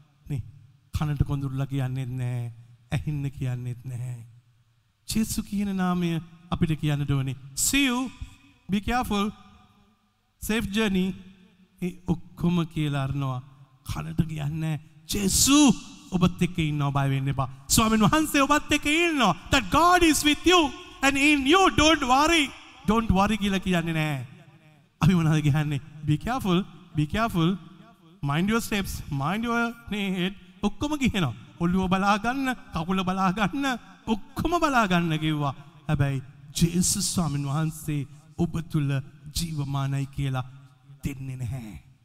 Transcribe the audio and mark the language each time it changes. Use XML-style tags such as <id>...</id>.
<si>නේ කනට කොඳුරලා කියන්නේත් නැහැ, ඇහින්න කියන්නේත් නැහැ. ජේසු කියන නාමය අපිට කියන්න ඕනේ.</si> <en>See you. Be careful. Safe journey.</en> <si>ඒ ඔක්කොම කියලා අරනවා. කනට කියන්නේ ජේසු ඔබත් එක්ක ඉන්නවා, බය වෙන්න එපා. ස්වාමීන් වහන්සේ ඔබත් එක්ක ඉන්නවා.</si> <en>That God is with you and in you don't worry. Don't worry</en> <si>කියලා කියන්නේ නැහැ. අපි මොනවද කියන්නේ?</si> <en>Be careful. Be careful. Mind your steps. Mind your head.</en> <si>ඔක්කොම කියනවා. ඔළුව බලා ගන්න, කකුල බලා ගන්න, ඔක්කොම බලා ගන්න කිව්වා. හැබැයි ජේසු ස්වාමීන් වහන්සේ ඔබ තුල ජීවමානයි කියලා දෙන්නේ නැහැ.</si>